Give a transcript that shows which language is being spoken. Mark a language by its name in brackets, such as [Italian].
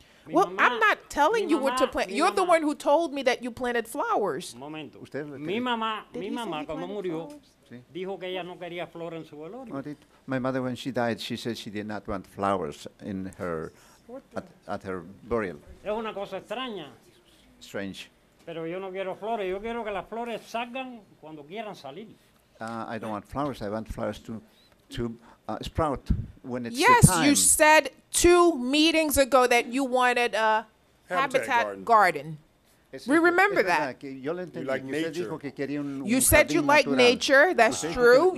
[English] Well, I'm not telling you what to plant. You're the one who told me that you planted flowers. [Spanish] Momento. Mi mamá, cuando murió, dijo que ella no quería flores en su velorio. [English] My mother, when she died, she said she did not want flowers in her at her burial. [Spanish] Es una cosa extraña. [English] Strange. [Spanish] Pero yo no quiero flores. Yo quiero que las flores salgan cuando quieran salir. [English] I don't want flowers. I want flowers to to Sprout when it's yes, the time. You said two meetings ago that you wanted a habitat garden. We remember that. You like nature. You said you like nature. That's true.